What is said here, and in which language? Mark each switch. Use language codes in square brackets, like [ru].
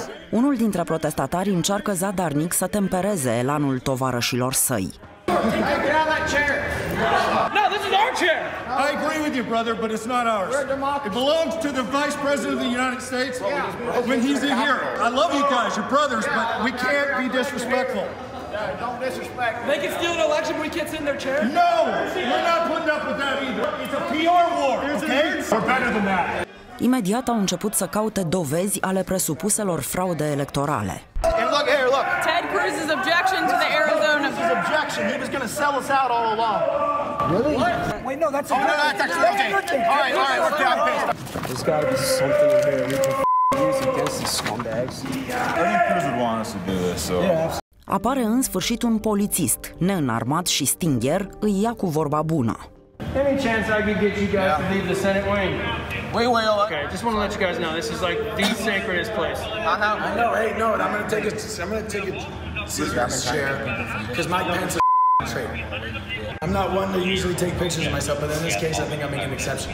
[ro] Unul dintre protestatari încearcă zadarnic să tempereze elanul tovarășilor săi. [en] I agree with you, brother, but it's not ours. It belongs to the Vice President of the United States when he's in here. I love you guys, you're brothers, but we can't be disrespectful. Don't disrespect. They can steal an election, but we can't sit in their chair. No, we're not putting up with that either. It's a PR war, okay? We're better than that. [ro] Imediat au început să caute dovezi ale presupuselor fraude electorale. [en] And look here, look. Ted Cruz's objection to the Arizona. His objection. He was going to sell us out all along. Really? What? Wait, no, that's oh, no, that's actually okay. All right, we're down. There's got to be something in here. We can use against these scumbags. Ted Cruz would want us to do this, so. Yeah. [ro] Apare în sfârșit un polițist, neînarmat și stingher, îi ia cu vorba bună. [en] Any chance I could get you guys to leave the Senate wing? Wait. Okay, just want to let you guys know this is like the sacredest place. I know. Hey, no, and I'm gonna take it. See, I'm a chair. Because my pants are straight. I'm not one to usually take pictures of myself, but in this case, I think I'm making an exception.